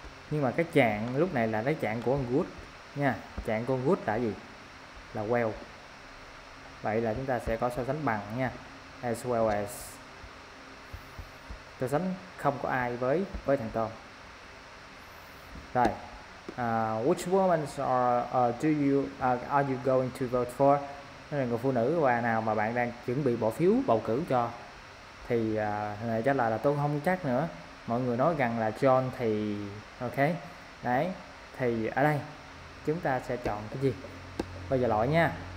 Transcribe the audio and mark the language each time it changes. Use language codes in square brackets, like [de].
[vi] Nhưng mà cái trạng lúc này là cái trạng của con good nha, trạng của con good là gì? Là well. Vậy là chúng ta sẽ có so sánh bằng nha, as well as. So sánh không có ai với thằng Tom. [en] Rồi, which woman do you are you going to vote for? [vi] Người phụ nữ và nào mà bạn đang chuẩn bị bỏ phiếu bầu cử cho? Thì người trả lời là tôi không chắc nữa. Mọi người nói rằng là John thì ok. Đấy, thì ở đây chúng ta sẽ chọn cái gì? Bây giờ lỗi nha.